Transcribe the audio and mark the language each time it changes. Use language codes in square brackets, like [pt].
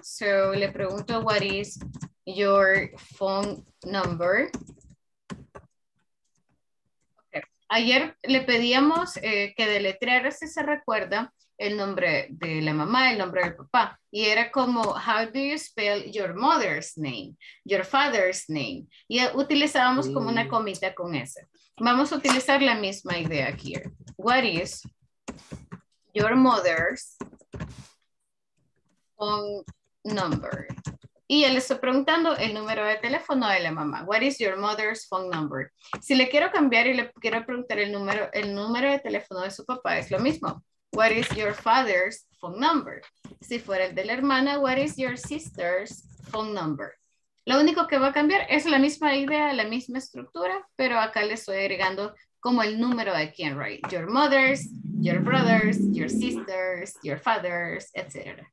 [en] So, [es] le pregunto [en] what is your phone number. [es] Ayer le pedíamos que deletreara, si se recuerda, el nombre de la mamá, el nombre del papá. Y era como, [en] how do you spell your mother's name, your father's name? [es] Y utilizábamos como una comita con ese. Vamos a utilizar la misma idea aquí. [en] What is your mother's phone number? [es] Y ya le estoy preguntando el número de teléfono de la mamá. [en] What is your mother's phone number? [es] Si le quiero cambiar y le quiero preguntar el número de teléfono de su papá, es lo mismo. [en] What is your father's phone number? [es] Si fuera el de la hermana, [en] what is your sister's phone number? [es] Lo único que va a cambiar es la misma idea, la misma estructura, pero acá le estoy agregando como el número de quien, right? [en] Your mother's, your brother's, your sister's, your father's, etc.